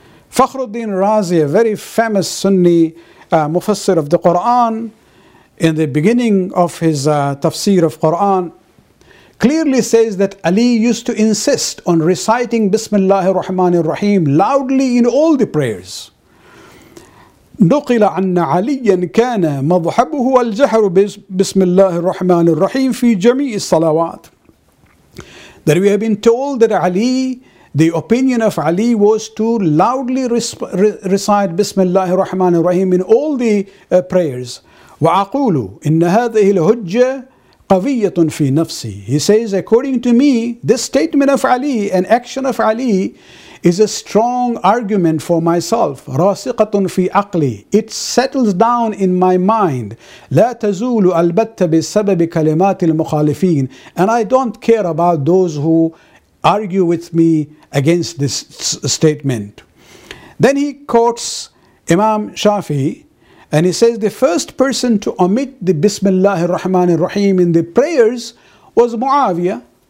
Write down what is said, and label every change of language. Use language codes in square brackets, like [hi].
[en] Fakhruddin Razi, a very famous Sunni mufassir of the Quran, in the beginning of his tafsir of Quran, clearly says that Ali used to insist on reciting Bismillah ar-Rahman ar-Rahim loudly in all the prayers. [ar] نقل عن علي كان مذهبه الجهر بسم الله الرحمن الرحيم في جميع الصلوات. [en] That we have been told that Ali, the opinion of Ali was to loudly recite [ar] بسم الله الرحمن الرحيم [en] in all the prayers. [ar] وأقول إن هذه الهجة قوية في نفسي. [en] He says, according to me, this statement of Ali, an action of Ali, is a strong argument for myself. [ar] راسقةٌ في عقلي. [en] It settles down in my mind. [ar] لا تزول البتة بسبب كلمات المخالفين. [en] And I don't care about those who argue with me against this statement. Then he quotes Imam Shafi, and he says the first person to omit the Bismillah ar-Rahman ar-Rahim in the prayers was Muawiyah.